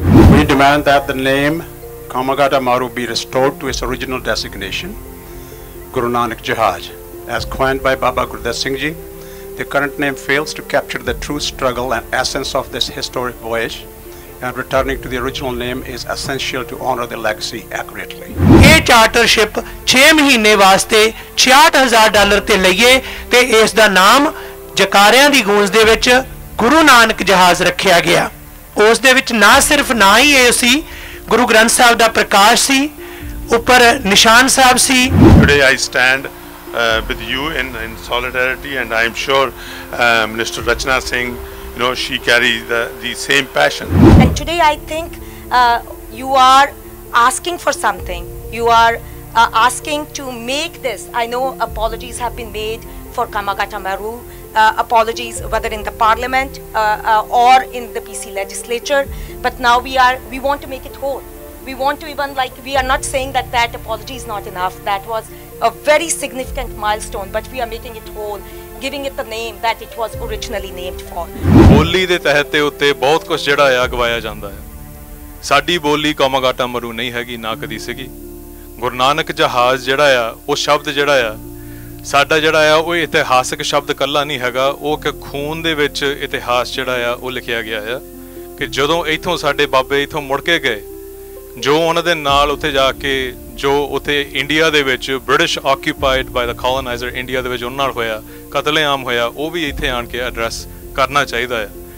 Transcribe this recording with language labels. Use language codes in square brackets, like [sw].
[en] We demand that the name Kamagata Maru be restored to its original designation, Guru Nanak Jahaj. As coined by Baba Gurdas Singh Ji, the current name fails to capture the true struggle and essence of this historic voyage, and returning to the original name is essential to honor the legacy accurately. [pa] ਇਹ ਚਾਰਟਰਸ਼ਿਪ 6 ਮਹੀਨੇ ਵਾਸਤੇ $66,000 ਤੇ ਲਈਏ ਤੇ ਇਸ ਦਾ ਨਾਮ ਜਕਾਰਿਆਂ ਦੀ ਗੂੰਜ ਦੇ ਵਿੱਚ ਗੁਰੂ ਨਾਨਕ ਜਹਾਜ਼ ਰੱਖਿਆ ਗਿਆ। ਉਸ ਦੇ ਵਿੱਚ ਨਾ ਸਿਰਫ ਨਾ ਹੀ ਇਹ ਸੀ, ਗੁਰੂ ਗ੍ਰੰਥ ਸਾਹਿਬ ਦਾ ਪ੍ਰਕਾਸ਼ ਸੀ, ਉੱਪਰ ਨਿਸ਼ਾਨ ਸਾਹਿਬ ਸੀ। [en] Today I stand with you in solidarity, and I am sure Minister Rachna Singh, you know, she carries the same passion. And today I think you are asking for something. You are asking to make this. I know apologies have been made for Kamagata Maru, apologies whether in the parliament or in the PC legislature, but now we want to make it whole. We want to even, like, we are not saying that apology is not enough. That was a very significant milestone, but we are making it whole, giving it the name that it was originally named for. [pa] Holi de tehte te utte bahut kuch jehda aya gawaya janda hai. ਸਾਡੀ ਬੋਲੀ ਕਮਾਗਾਟਾ ਮਰੂ ਨਹੀਂ ਹੈਗੀ, ਨਾ ਕਦੀ ਸੀਗੀ। ਗੁਰੂ ਨਾਨਕ ਜਹਾਜ਼ ਜਿਹੜਾ ਆ, ਉਹ ਸ਼ਬਦ ਜਿਹੜਾ ਆ ਸਾਡਾ ਜਿਹੜਾ ਆ, ਉਹ ਇਤਿਹਾਸਿਕ ਸ਼ਬਦ ਇਕੱਲਾ ਨਹੀਂ ਹੈਗਾ, ਉਹ ਇੱਕ ਖੂਨ ਦੇ ਵਿੱਚ ਇਤਿਹਾਸ ਜਿਹੜਾ ਆ ਉਹ ਲਿਖਿਆ ਗਿਆ ਆ ਕਿ ਜਦੋਂ ਇੱਥੋਂ ਸਾਡੇ ਬਾਬੇ ਇੱਥੋਂ ਮੁੜ ਕੇ ਗਏ, ਜੋ ਉਹਨਾਂ ਦੇ ਨਾਲ ਉੱਥੇ ਜਾ ਕੇ, ਜੋ ਉੱਥੇ ਇੰਡੀਆ ਦੇ ਵਿੱਚ ਬ੍ਰਿਟਿਸ਼ [en] occupied by [pa] ਦਾ ਕਾਲੋਨਾਈਜ਼ਰ ਇੰਡੀਆ ਦੇ ਵਿੱਚ ਉਹਨਾਂ ਨਾਲ ਹੋਇਆ, ਕਤਲੇਆਮ ਹੋਇਆ, ਉਹ ਵੀ ਇੱਥੇ ਆਣ ਕੇ ਐਡਰੈਸ ਕਰਨਾ ਚਾਹੀਦਾ ਆ।